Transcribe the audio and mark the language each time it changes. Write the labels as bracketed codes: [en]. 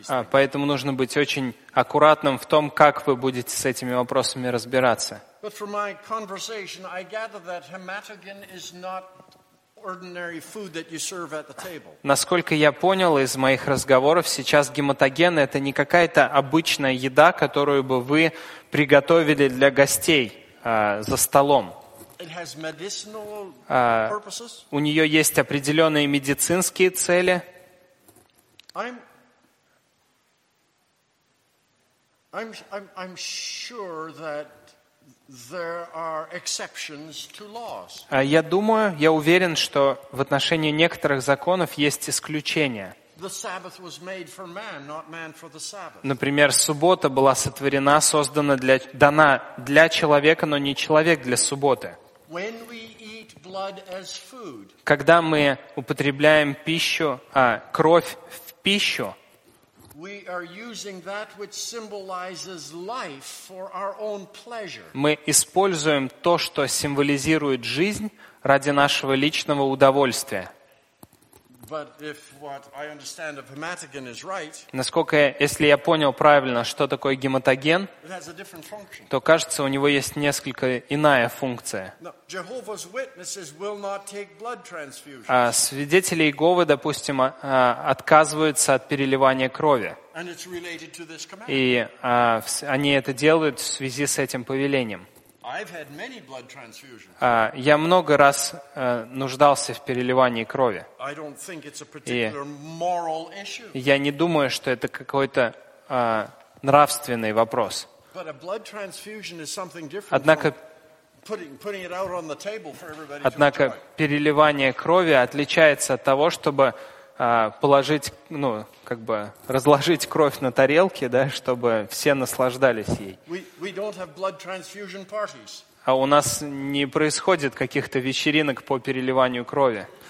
[ru] Поэтому нужно быть очень аккуратным в том, как вы будете с этими вопросами разбираться. [en] But from my conversation, I gather that hematogen is not ordinary food that you serve at the table. [ru] Насколько я понял из моих разговоров, сейчас гематоген это не какая-то обычная еда, которую бы вы приготовили для гостей за столом. [en] It has medicinal purposes. [ru] У нее есть определенные медицинские цели. [en] I'm sure that there are exceptions to laws. [ru] Я думаю, я уверен, что в отношении некоторых законов есть исключения. [en] The Sabbath was made for man, not man for the Sabbath. [ru] Например, суббота была сотворена, создана для, дана для человека, но не человек для субботы. [en] When we eat blood as food, [ru] когда мы употребляем пищу, кровь в пищу, [en] we are using that which symbolizes life for our own pleasure. [ru] Мы используем то, что символизирует жизнь ради нашего личного удовольствия. [en] But if what I understand of hematogen is right, [ru] насколько я, если я понял правильно, что такое гематоген, [en] it has a different function. [ru] То кажется, у него есть несколько иная функция. [en] Jehovah's Witnesses will not take blood transfusions. [ru] А свидетели Иеговы, допустим, отказываются от переливания крови. [en] And it's related to this command. [ru] И они это делают в связи с этим повелением. [en] I've had many blood transfusions. [ru] Я много раз нуждался в переливании крови. [en] I don't think it's a particular moral issue. [ru] Я не думаю, что это какой-то нравственный вопрос. [en] But a blood transfusion is something different. [ru] Однако, [en] putting it out on the table for everybody to enjoy. [ru] Однако переливание крови отличается от того, чтобы положить, ну, как бы разложить кровь на тарелке, да, чтобы все наслаждались ей. [en] We don't have blood transfusion parties. [ru] А у нас не происходит каких-то вечеринок по переливанию крови.